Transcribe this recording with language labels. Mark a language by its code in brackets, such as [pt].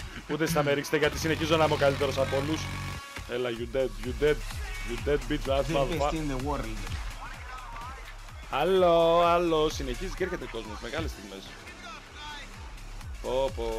[el] Ούτε εσύ θα με ρίξετε γιατί συνεχίζω να είμαι ο καλύτερος από όλους. [en] Έλα, you dead bitch, that's my fault. [el] Άλλο, συνεχίζει και έρχεται κόσμος, μεγάλες στιγμές. Πω.